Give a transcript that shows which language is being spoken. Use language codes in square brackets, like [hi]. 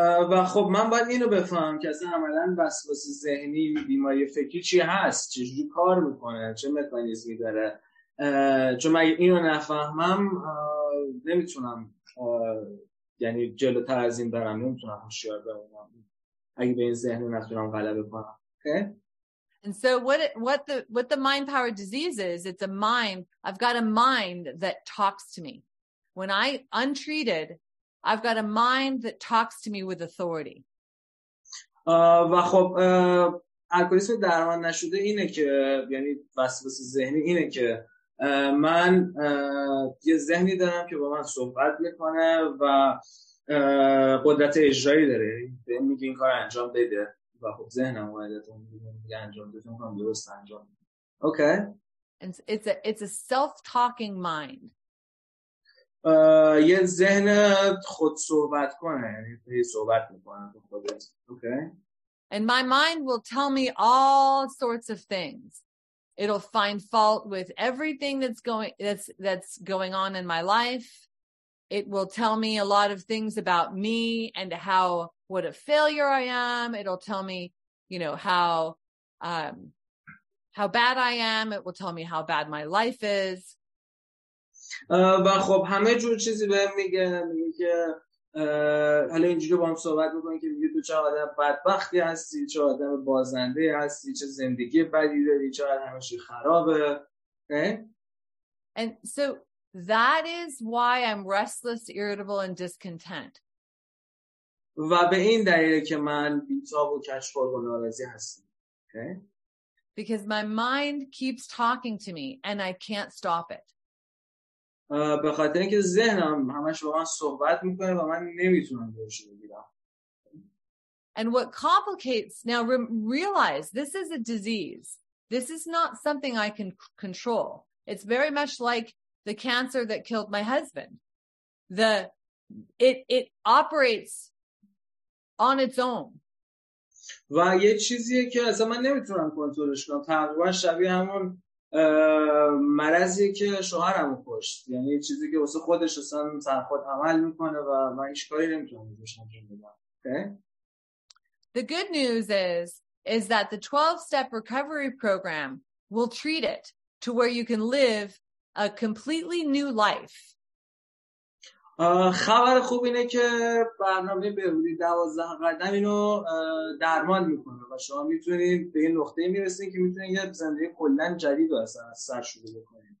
[fa] و خب من باید اینو بفهمم که اصلا عملاً وسواس ذهنی بیماری فکری چی هست، چجوری کار میکنه، چه مکانیزمی داره. چون اگه اینو نفهمم نمیتونم یعنی جلوتر از این برم، نمیتونم هوشیار بمونم. اگه به این ذهن نتونم غلبه کنم. [en] Okay. And so what the mind power disease is, it's a mind. I've got a mind that talks to me. When I untreated, I've got a mind that talks to me with authority. [fa] و خب الکلیسم درمان نشده اینه که یعنی وسواس ذهنی اینه که من یه ذهنی دارم که با من صحبت میکنه و قدرت اجرایی داره. بهم میگه این کار انجام بده. و خب ذهنم قاعدتاً میگه انجام بده، میگم درست انجام بده. [en] Okay. It's a self-talking mind. [fa] یه ذهن خود صحبت کنه، یعنی خودش صحبت میکنه با خودش. [en] Okay. And my mind will tell me all sorts of things. It'll find fault with everything that's going on in my life. It will tell me a lot of things about me and how what a failure I am. It'll tell me, you know, how bad I am. It will tell me how bad my life is. [fa] و خب همه جور چیزی بهم میگه که حالا اینجوری با هم صحبت میکنی که میگه تو چه آدم بدبختی هستی، چه آدم بازنده هستی، چه زندگی بدی داری، چه همش خرابه. [en] And so that is why I'm restless, irritable and discontent. [fa] و به این دلیله که من بی‌تاب و کچخور و ناراضی هستم. [en] Because my mind keeps talking to me and I can't stop it. [fa] به خاطر اینکه ذهنم همش با من صحبت میکنه و من نمیتونم جلوش بگیرم. [en] And what complicates, now realize this is a disease. This is not something I can control. It's very much like the cancer that killed my husband. It operates on its own. [fa] و یه چیزیه که اصلا من نمیتونم کنترلش کنم. تقریبا شبیه همون مرضیه که شوهرمو کشت. یعنی یه چیزی که واسه خودش اصلا سر خود عمل میکنه و من هیچ کاری نمیتونم روش انجام بدم. [en] The good news is that the 12-step recovery program will treat it to where you can live a completely new life. [fa] خبر خوب اینه که برنامه بهبودی 12 قدم اینو درمان میکنه و شما میتونید به این نقطه میرسید که میتونید یه زندگی کلن جدید رو اصلا از سر شروع بکنید.